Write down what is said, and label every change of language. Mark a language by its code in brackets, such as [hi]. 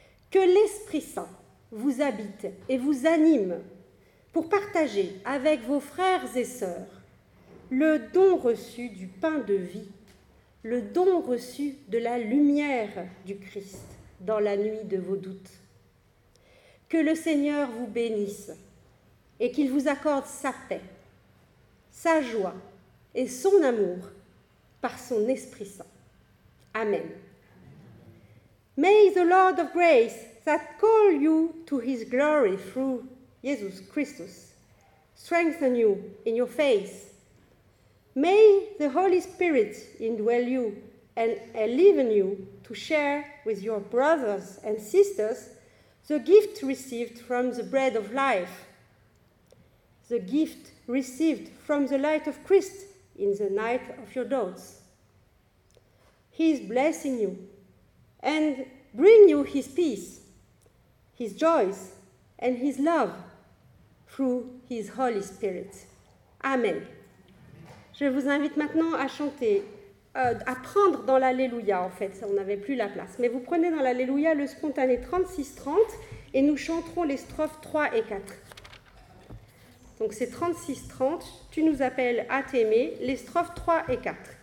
[fr] Que l'Esprit Saint vous habite et vous anime pour partager avec vos frères et sœurs le don reçu du pain de vie, le don reçu de la lumière du Christ dans la nuit de vos doutes. Que le Seigneur vous bénisse et qu'il vous accorde sa paix, sa joie et son amour par son Esprit Saint. Amen. [en] May the Lord of grace that call you to his glory through Jesus Christus strengthen you in your faith. May the Holy Spirit indwell you and enliven you to share with your brothers and sisters the gift received from the bread of life, the gift received from the light of Christ in the night of your doubts. He is blessing you and bring you his peace, his joys, and his love through his Holy Spirit. Amen. [fr] Je vous invite maintenant à chanter, à prendre dans l'Alléluia, en fait, on n'avait plus la place. Mais vous prenez dans l'Alléluia le spontané 36-30 et nous chanterons les strophes 3 et 4. Donc c'est 36-30, tu nous appelles à t'aimer, les strophes 3 et 4.